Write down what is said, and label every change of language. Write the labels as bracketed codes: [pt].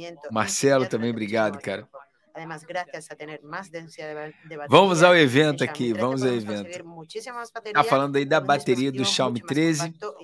[pt] Marcelo também, obrigado, cara. [es] Además, gracias a tener más densidad de batería. [pt] Vamos ao evento aqui, vamos ao evento. Está falando aí da bateria do Xiaomi 13.